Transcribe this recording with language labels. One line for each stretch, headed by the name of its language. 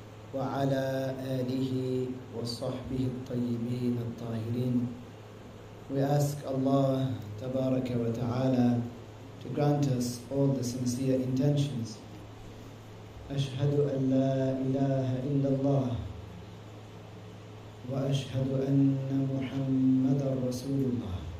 Arabic: وعلى آله وصحبه الطيبين الطاهرين.
English: We ask Allah تبارك وتعالى to grant us all the sincere intentions.
Arabic: أشهد أن لا إله إلا الله وأشهد أن محمد رسول الله.